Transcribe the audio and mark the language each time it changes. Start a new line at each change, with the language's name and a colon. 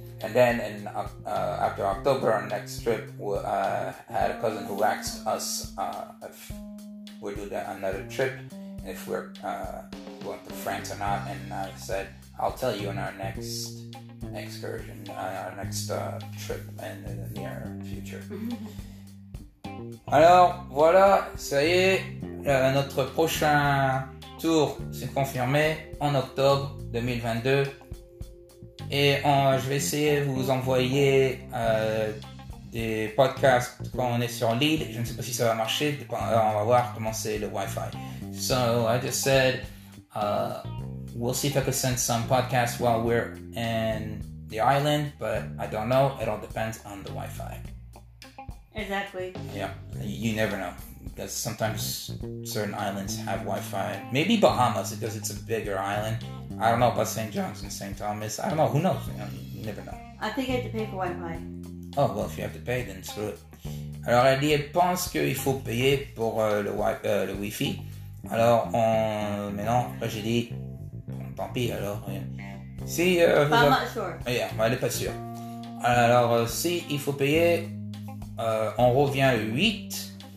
English: And then after October, our next trip, we had a cousin who asked us if we'd do another trip, and if we're going to France or not. And I said, I'll tell you in our next excursion, our next trip in the near future.
French: Alors, voilà, ça y est, notre prochain tour s'est confirmé en octobre 2022. Et je vais essayer de vous envoyer des podcasts quand on est sur l'île. Je ne sais pas si ça va marcher, on va voir comment c'est le Wi-Fi.
English: So, I just said, we'll see if I could send some podcasts while we're in the island, but I don't know, it all depends on the Wi-Fi. Exactly. Yeah, you never know, because sometimes certain islands have Wi-Fi. Maybe Bahamas, because it's a bigger island. I don't know about St. John's and St. Thomas. I don't know. Who knows? You never know. I think I have to pay for Wi-Fi. Oh, well, if you have to pay, then screw it.
French: Alors, elle dit, elle pense qu'il faut payer pour le Wi-Fi. Alors, j'ai dit, tant pis, alors. Si,
English: I'm not sure.
French: Yeah, elle n'est pas sûre. Alors, si il faut payer... on revient le 8.